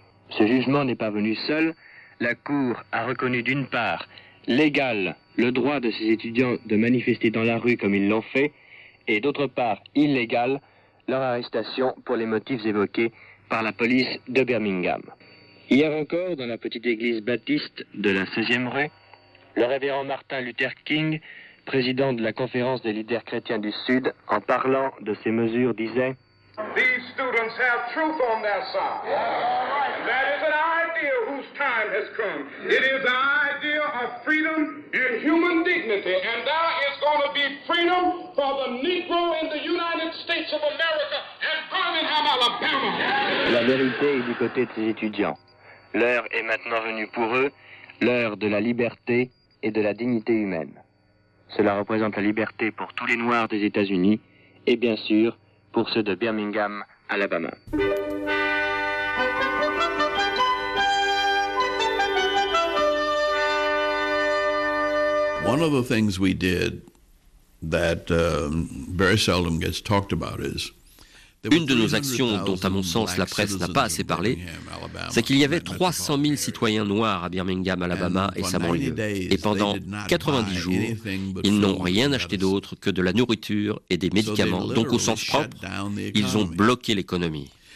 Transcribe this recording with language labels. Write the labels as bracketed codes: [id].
[fr] Ce jugement n'est pas venu seul. La cour a reconnu d'une part légal le droit de ces étudiants de manifester dans la rue comme ils l'ont fait, et d'autre part, illégale, leur arrestation pour les motifs évoqués par la police de Birmingham. Hier encore, dans la petite église baptiste de la 16e rue, le révérend Martin Luther King, président de la conférence des leaders chrétiens du Sud, en parlant de ces mesures, disait [en] « These students have truth on their side. That is an idea whose time has come. It is an idea of freedom and human dignity. And there is going to be freedom for the Negro in the United States of America and Birmingham, Alabama. » [fr] La vérité est du côté de ces étudiants. L'heure est maintenant venue pour eux, l'heure de la liberté et de la dignité humaine. Cela représente la liberté pour tous les Noirs des États-Unis et bien sûr, pour ceux de Birmingham, Alabama. [en] One of the things we did that very seldom gets talked about is [fr] une de nos actions dont, à mon sens, la presse n'a pas assez parlé, c'est qu'il y avait 300 000 citoyens noirs à Birmingham, Alabama et sa banlieue. Et pendant 90 jours, ils n'ont rien acheté d'autre que de la nourriture et des médicaments. Donc, au sens propre, ils ont bloqué l'économie.